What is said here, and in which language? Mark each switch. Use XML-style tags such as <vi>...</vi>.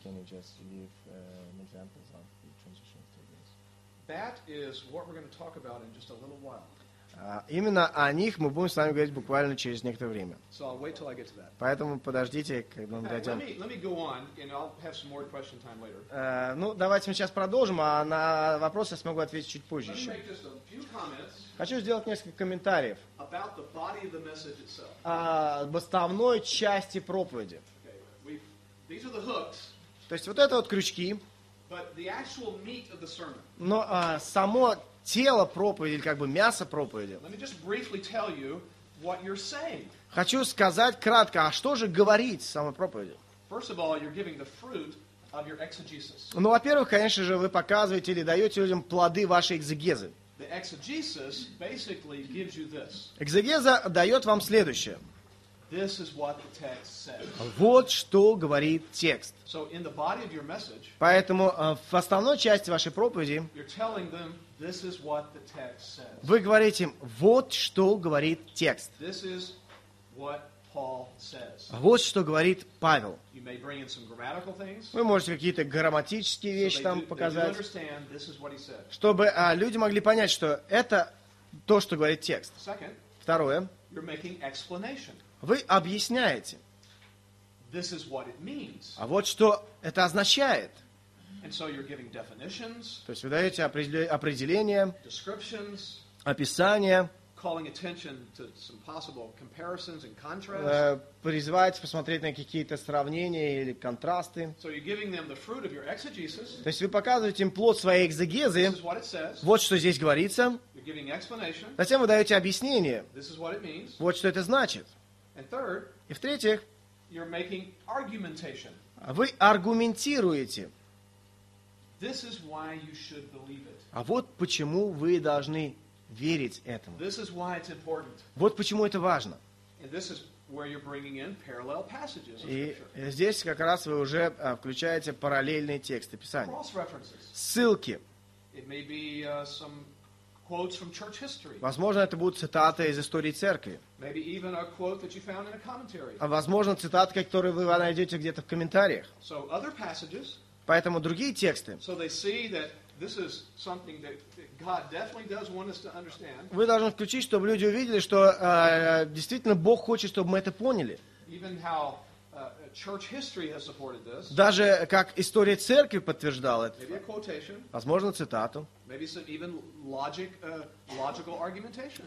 <en>Can you just give examples of the transition statements? That is what we're going to talk about in just a little while.</en> <ru>Именно о них мы будем с вами говорить буквально через некоторое время.</ru> <en>So I'll wait till I get to that.</en> <ru>Поэтому подождите, когда мы дойдем.</ru> <en>Let me go on, and I'll have some more question time later.</en> <ru>Ну, давайте мы сейчас продолжим, а на вопросы я смогу ответить чуть позже еще.</ru> <en>Let me make just a few comments.</en> <ru>Хочу сделать несколько комментариев</ru> <en>about the body of the message itself.</en> <ru>Об основной части проповеди.</ru> <en>These are the hooks.</en> <ru>То есть вот это вот крючки.</ru> <en>But the actual meat of the sermon.</en> <ru>Но само тело проповеди, или как бы мясо проповеди.</ru> <en>Let me just briefly tell you what you're saying.</en> <ru>Хочу сказать кратко, а что же говорить самой проповеди?</ru> <en>First of all, you're giving the fruit of your exegesis.</en> <ru>Ну, во-первых, конечно же, вы показываете или даете людям плоды вашей экзегезы.</ru> <en>The exegesis basically gives you this.</en> <ru>Экзегеза дает вам следующее.</ru> <en>This is what the text says.</en> <ru>Вот что говорит текст.</ru> <en>So in the body of your message,</en> <ru>поэтому в основной части вашей проповеди</ru> <en>you're telling them, this is what the text says.</en> <ru>Вы говорите им, вот что говорит текст.</ru> <en>This is what Paul says.</en> <ru>Вот что говорит Павел.</ru> <en>You may bring in some grammatical things,</en> <ru>вы можете какие-то грамматические вещи</ru> <en>so they</en> <ru>там</ru> <en>do,</en> <ru>показать,</ru> <en>they do understand, this is what he said.</en> <ru>Чтобы люди могли понять, что это то, что говорит текст.</ru> <en>Second,</en> <ru>второе.</ru> <en>You're making explanation.</en> <ru>Вы объясняете.</ru> <en>This is what it means.</en> <ru>А вот что это означает.</ru> <en>And so you're giving definitions,</en> <ru>то есть вы даете определения,</ru> <en>descriptions,</en> <ru>описания,</ru> <en>calling attention to some possible comparisons and contrasts,</en> <ru>призываете посмотреть на какие-то сравнения или контрасты.</ru> <en>So you're giving them the fruit of your exegesis.</en> <ru>То есть вы показываете им плод своей экзегезы.</ru> <en>This is what it says.</en> <ru>Вот что здесь говорится.</ru> <en>You're giving explanation.</en> <ru>Затем вы даете объяснение.</ru> <en>This is what it means.</en> <ru>Вот что это значит.</ru> <en>And third,</en> <ru>и в-третьих,</ru> <en>you're making argumentation.</en> <ru>Вы аргументируете.</ru> <en>This is why you should believe it.</en> <ru>А вот почему вы должны верить этому.</ru> <en>This is why it's important.</en> <ru>Вот почему это важно.</ru> <en>And this is where you're bringing in parallel passages.</en> <ru>И здесь как раз вы уже включаете параллельные тексты Писания.</ru> <en>Cross-references.</en> <ru>Ссылки.</ru> <en>It may be some quotes from church history.</en> <ru>Возможно, это будут цитаты из истории церкви.</ru> <en>Maybe even a quote that you found in a commentary.</en> <ru>А возможно, цитаты, которые вы найдете где-то в комментариях.</ru> <en>So other passages.</en> <ru>Поэтому другие тексты.</ru> <en>So they see that this is something that God definitely does want us to understand.</en> <ru>Вы должны включить, чтобы люди увидели, что действительно Бог хочет, чтобы мы это поняли.</ru> <en>Even how church history has supported this.</en> <ru>Даже как история церкви подтверждала это.</ru> <en>Maybe a quotation.</en> <ru>Возможно, цитату.</ru> <en>Maybe some even logic, logical argumentation.</en>